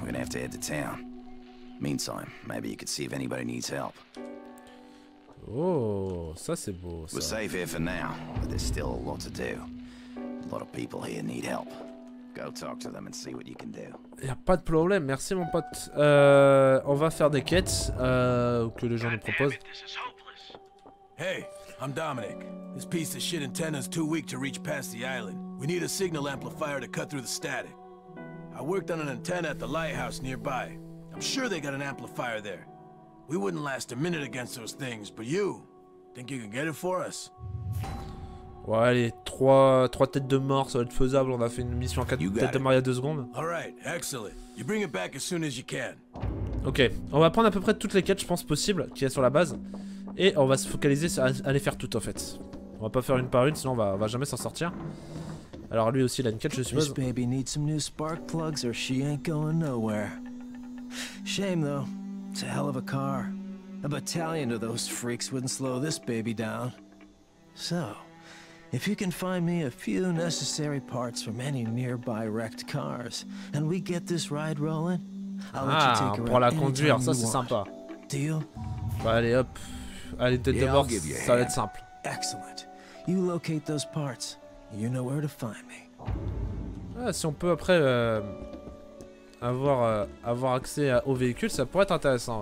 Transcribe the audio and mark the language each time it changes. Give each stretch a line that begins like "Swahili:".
English: We're gonna have to head to town. Meantime, maybe you could see if anybody needs help.
French: Oh, ça c'est beau. Ça.
English: We're safe here for now, but there's still a lot to do. A lot of people here need help. Go talk to them and see what you can do.
French: Y'a pas de problème, merci mon pote. On va faire des quêtes que les gens nous proposent.
English: Hey, I'm Dominic. This piece of shit antenna is too weak to reach past the island. We need a signal amplifier to cut through the static. I worked on an antenna at the lighthouse nearby. I'm sure they got an amplifier there. We wouldn't last a minute against those things, but you, think you can get it for us?
French: Ouais, allez, trois têtes de mort, ça va être faisable. On a fait une mission en 4 têtes de mort il y a 2 secondes.
English: All right, excellent. You bring it back as soon as you can.
French: Ok, on va prendre à peu près toutes les quêtes, je pense, possibles qu'il y a sur la base. Et on va se focaliser à les faire toutes en fait. On va pas faire une par une, sinon on va jamais s'en sortir. Alors lui aussi, il a une quête, je suppose.
English: This baby needs some new spark plugs or she ain't going nowhere. Shame though. It's a hell of a car. A battalion of those freaks wouldn't slow this baby down. So, if you can find me a few necessary parts from any nearby wrecked cars, and we get this ride rolling, I'll let you take her.
French: Ah, la conduire, ça c'est sympa. Deal. Bah, allez hop. Allez, tête de mort, ça va être simple.
English: Excellent. You locate those parts, you know where to find me.
French: Ah, si on peut après avoir accès au véhicule, ça pourrait être intéressant.